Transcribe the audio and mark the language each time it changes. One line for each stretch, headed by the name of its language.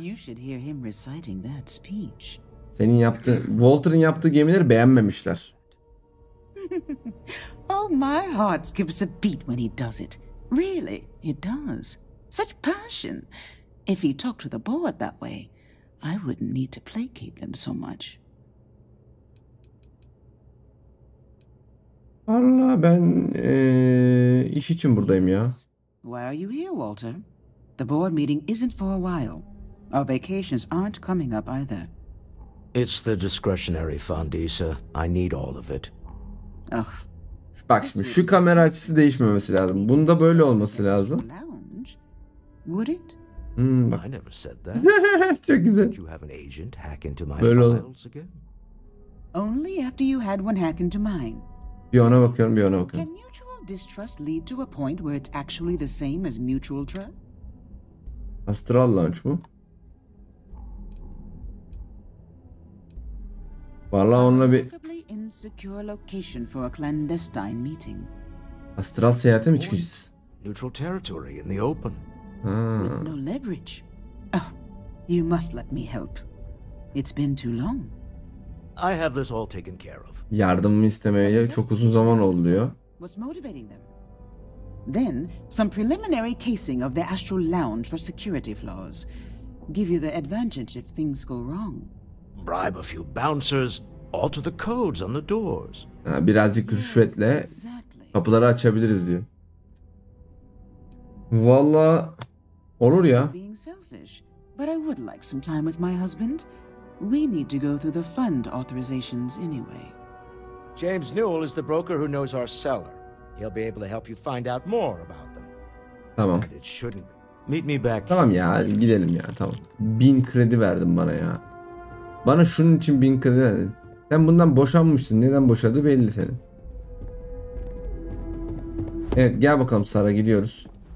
English: You should hear him reciting that speech.
Turkish: Senin yaptığın, Walter'ın yaptığı gemileri beğenmemişler.
English: Oh, my heart skips a beat when he does it. Really, it does. Such passion. If he talked to the board that way, I wouldn't need to placate them so much.
Turkish: Allah ben iş için buradayım ya.
English: Why are you here, Walter? The board meeting isn't for a while. Our vacations aren't coming up either. It's the discretionary fund, Issa. I need all of it. Oh.
Turkish: Bak şimdi şu kamera açısı değişmemesi lazım. Bunda böyle olması lazım.
English: Would it?
Turkish: Bak.
English: I never said that.
Turkish: Çok güzel.
English: Did you have an agent hack into my files again? Only after you had one hack into mine.
Turkish: Bir ona bakıyorum, bir ona bakıyorum.
English: Can mutual distrust lead to a point where it's actually the same as mutual trust?
Turkish: Astral launch mu? Valla onunla bir...
English: Probably insecure location for a clandestine meeting.
Turkish: Astral seyahate mi çıkacağız?
English: Neutral territory in the open. Ha. With no leverage. Oh, you must let me help. It's been too long. I have this all taken care of.
Turkish: Yardımımı istemeye çok uzun zaman oldu diyor.
English: What's motivating them? Then some preliminary casing of the astral lounge for security flaws. Give you the advantage if things go wrong. Bribe a few bouncers, alter the codes on the doors.
Turkish: Ha, birazcık rüşvetle kapıları açabiliriz diyor. Vallahi olur ya.
English: Being selfish, but I would like some time with my husband. We need to go through the fund authorizations anyway. James Newell is the broker who knows our seller. He'll be able to help you find out more about them.
Turkish: Tamam.
English: But it shouldn't. Meet me back.
Turkish: Tamam ya, gidelim ya, tamam. 1000 kredi verdin bana ya. Bana şunun için 1000 kredi verdin. Sen bundan boşanmışsın. Neden boşadı belli senin. Evet, gel bakalım Sara, gidiyoruz.